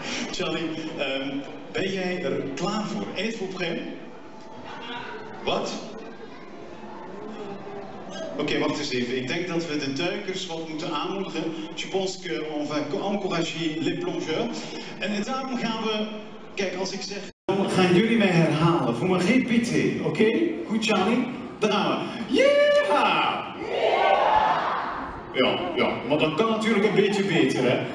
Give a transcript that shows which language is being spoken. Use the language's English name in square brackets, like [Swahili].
[Dutch] Charlie, ben jij er klaar voor? Eet voor prêt? Wat? Oké, wacht eens even. Ik denk dat we de duikers wat moeten aanmoedigen. [French] Je pense qu'on va encourager les plongeurs. [Dutch] En daarom gaan we... Kijk, als ik zeg... Gaan jullie mij herhalen? Voor mijn repetitie, oké? Goed, Charlie? Dan gaan we. Yeah! Ja, ja, maar dat kan natuurlijk een beetje beter, hè?